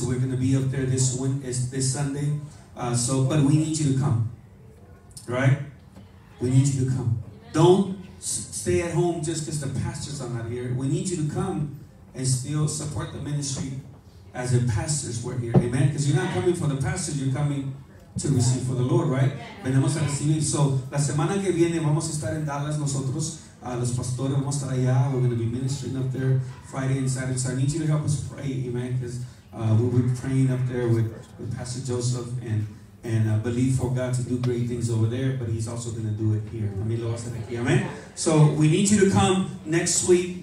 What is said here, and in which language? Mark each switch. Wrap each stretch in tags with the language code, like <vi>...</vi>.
<en>So we're going to be up there this Sunday. But we need you to come. Right? We need you to come. Don't stay at home just because the pastors are not here. We need you to come and still support the ministry as if pastors were here. Amen? Because you're not coming for the pastors. You're coming to receive for the Lord, right?</en> <es>Venimos a recibir. So, la semana que viene, vamos a estar en Dallas nosotros. Los pastores vamos a estar allá.</es> <en>We're going to be ministering up there Friday and Saturday. So, I need you to help us pray. Amen? Because we'll be praying up there with Pastor Joseph and believe for God to do great things over there, but he's also going to do it here.</en> <es>También lo va a hacer aquí.</es> <en>Amen. So we need you to come next week.</en>